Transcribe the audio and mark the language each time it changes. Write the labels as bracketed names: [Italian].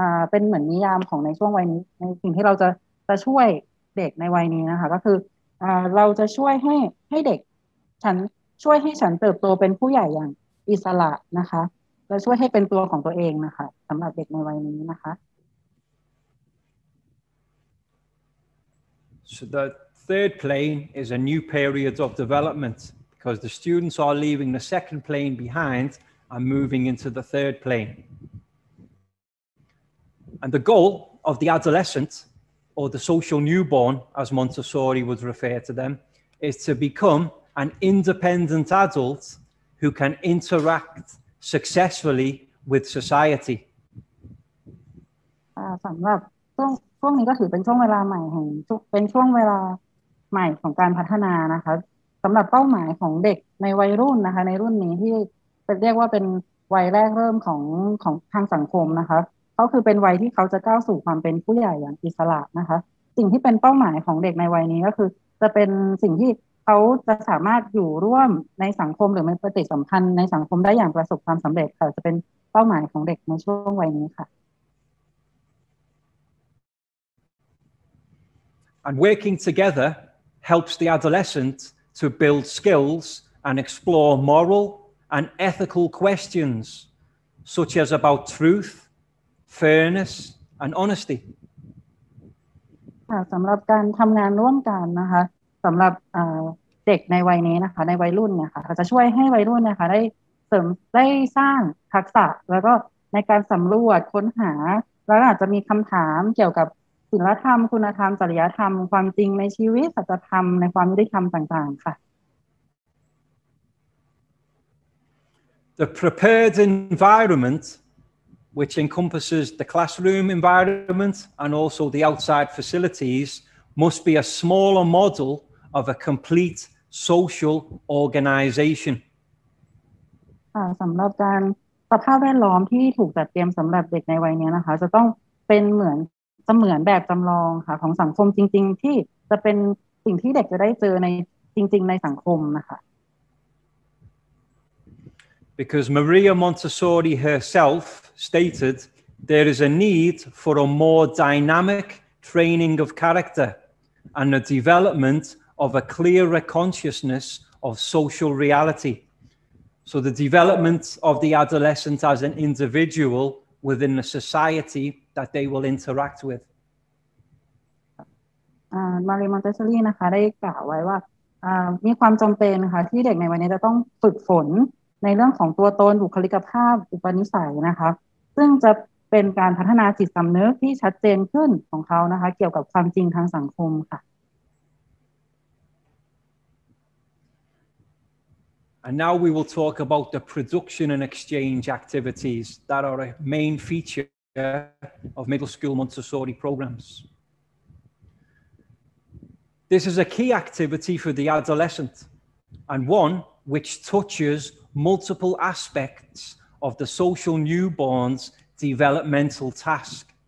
[Thai] เป็นเหมือนนิยามของในช่วงวัยนี้ในสิ่งที่เราจะช่วยเด็กในวัยนี้นะคะก็คือเราจะช่วยให้เด็กฉันช่วยให้ฉันเติบโตเป็นผู้ใหญ่อย่างอิสระนะคะจะช่วยให้เป็นตัวของตัวเองนะคะสำหรับเด็กในวัยนี้นะคะ [English] So the third plane is a new period of development because the students are leaving the second plane behind and moving into the third plane. And the goal of the adolescent, or the social newborn, as Montessori would refer to them, is to become an independent adult who can interact successfully with society. [Thai] สำหรับช่วงนี้ก็ถือเป็นช่วงเวลาใหม่ของเป็นช่วงเวลาใหม่ของการพัฒนานะคะสำหรับเป้าหมายของเด็กในวัยรุ่นนะคะในรุ่นนี้ที่เรียกว่าเป็นวัยแรกเริ่มของทางสังคมนะคะก็คือเป็นวัยที่เขาจะก้าวสู่ความเป็นผู้ใหญ่อย่างอิสระนะคะสิ่งที่เป็นเป้าหมายของเด็กในวัยนี้ก็คือจะเป็นสิ่งที่เขาจะสามารถอยู่ร่วมในสังคมหรือมีปฏิสัมพันธ์ในสังคมได้อย่างประสบความสำเร็จค่ะจะเป็นเป้าหมายของเด็กในช่วงวัยนี้ค่ะ [English] And working together helps the adolescent to build skills and explore moral and ethical questions such as about truthfairness and honesty [Thai] สำหรับการทำงานร่วมกันนะคะสสำหรับเด็กในวัยนี้นะคะในวัยรุ่นนะคะจะช่วยให้วัยรุ่นนะคะได้เสริมได้สร้างทักษะแล้วก็ในการสำรวจค้นหาแล้วอาจจะมีคำถามเกี่ยวกับศีลธรรมคุณธรรมจริยธรรมความจริงในชีวิตสัจธรรมในความยุติธรรมต่างๆค่ะ [English] The prepared environment which encompasses the classroom environment and also the outside facilities must be a smaller model of a complete social organization [Thai] สำหรับการสภาพแวดล้อมที่ถูกจัดเตรียมสำหรับเด็กในวัยนี้นะคะจะต้องเป็นเหมือนเสมือนแบบจำลองค่ะของสังคมจริงๆที่จะเป็นสิ่งที่เด็กจะได้เจอในจริงๆในสังคมนะคะ [English] Because Maria Montessori herself stated there is a need for a more dynamic training of character and the development of a clearer consciousness of social reality so the development of the adolescent as an individual within the societyThat they will interact with. [Thai] Marie Montessori, นะคะได้กล่าวไว้ว่ามีความจำเป็นค่ะที่เด็กในวัยนี้จะต้องฝึกฝนในเรื่องของตัวตนบุคลิกภาพอุปนิสัยนะคะซึ่งจะเป็นการพัฒนาจิตสำนึกที่ชัดเจนขึ้นของเขานะคะเกี่ยวกับความจริงทางสังคมค่ะ [English] And now we will talk about the production and exchange activities that are a main feature. Of middle school Montessori programs. This is a key activity for the adolescent and one which touches multiple aspects of the social newborn's developmental task.